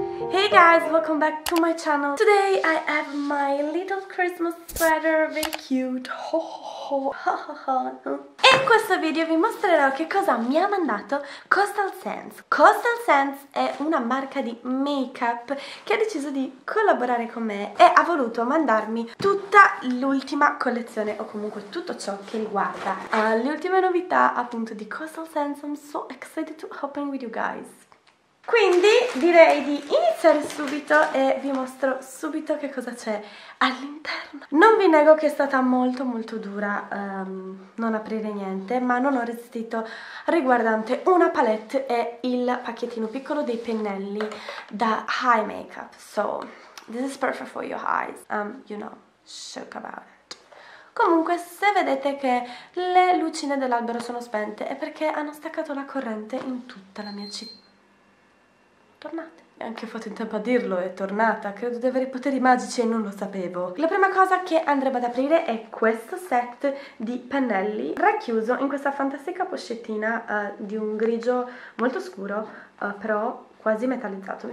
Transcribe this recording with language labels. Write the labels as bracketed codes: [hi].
[en] Hey guys, welcome back to my channel. Today I have my little Christmas sweater, very cute. Ho ho ho. [it] E in questo video vi mostrerò che cosa mi ha mandato Coastal Sands. Coastal Sands è una marca di make-up che ha deciso di collaborare con me e ha voluto mandarmi tutta l'ultima collezione, o comunque tutto ciò che riguarda le ultime novità appunto di Coastal Sands. [en] I'm so excited to open with you guys. [it] Quindi direi di iniziare subito e vi mostro subito che cosa c'è all'interno. Non vi nego che è stata molto molto dura non aprire niente, ma non ho resistito riguardante una palette e il pacchettino piccolo dei pennelli da Eye Makeup. [en] So, this is perfect for your eyes. You know, shook about it. [it] Comunque, se vedete che le lucine dell'albero sono spente è perché hanno staccato la corrente in tutta la mia città. Tornate. E anche fatto in tempo a dirlo, è tornata. Credo di avere i poteri magici e non lo sapevo. La prima cosa che andremo ad aprire è questo set di pennelli racchiuso in questa fantastica pochettina di un grigio molto scuro, però quasi metallizzato.